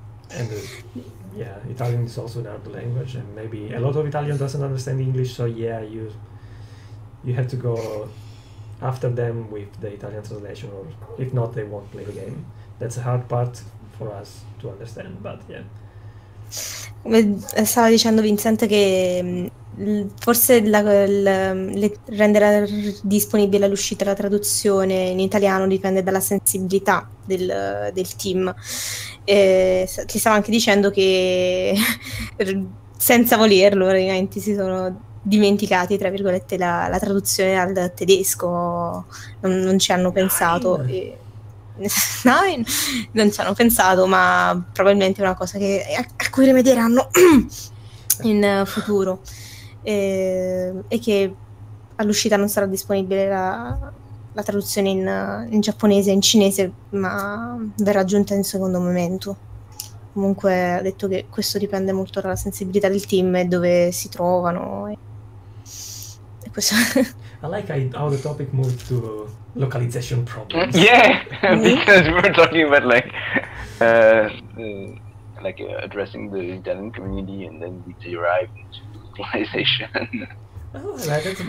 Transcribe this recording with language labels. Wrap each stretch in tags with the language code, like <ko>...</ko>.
<en>And Italian is also an hard language, and maybe a lot of Italian doesn't understand English, so you have to go after them with the Italian translation, or if not, they won't play the game. That's a hard part for us to understand, but</en> <it>stava dicendo Vincent che forse rendere disponibile all'uscita la traduzione in italiano dipende dalla sensibilità del team. Ti stava anche dicendo che senza volerlo, praticamente si sono dimenticati tra virgolette la traduzione al tedesco, non ci hanno pensato non ci hanno pensato, ma probabilmente è una cosa che a cui rimedieranno in futuro, e che all'uscita non sarà disponibile la traduzione in giapponese e in cinese, ma verrà aggiunta in secondo momento. Comunque ha detto che questo dipende molto dalla sensibilità del team e dove si trovano.</it> <en>I like how the topic moved to localization problems. Yeah, because we're talking about like addressing the Italian community, and then we derive into localization.</en>